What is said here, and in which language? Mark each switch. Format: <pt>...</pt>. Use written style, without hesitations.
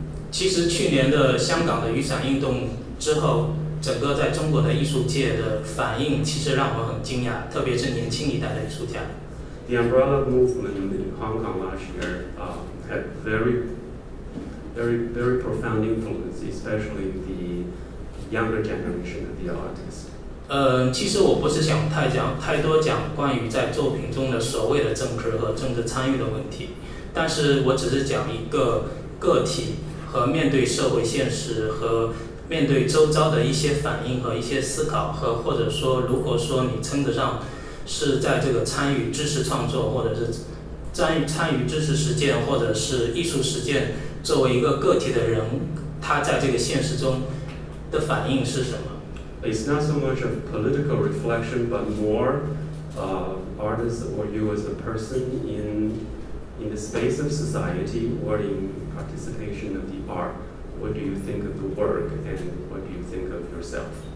<zh>其实去年的香港的雨伞运动之后，整个在中国的艺术界的反应其实让我很惊讶，特别是年轻一代的艺术家。</zh> <en>The umbrella movement in Hong Kong last year had very, very, very profound influence, especially the younger generation of the artists.</en> <zh>其实我不是想太多讲关于在作品中的所谓的政治和政治参与的问题，但是我只是讲一个个体和面对社会现实和面对周遭的一些反应和一些思考，和或者说如果说你称得上是在这个参与知识创作，或者是参与知识实践，或者是艺术实践，作为一个个体的人，他在这个现实中的反应是什么？</zh> <en>It's not so much of political reflection, but more artist or you as a person in the space of society or in participation of the art. What do you think of the work and what do you think of yourself?</en>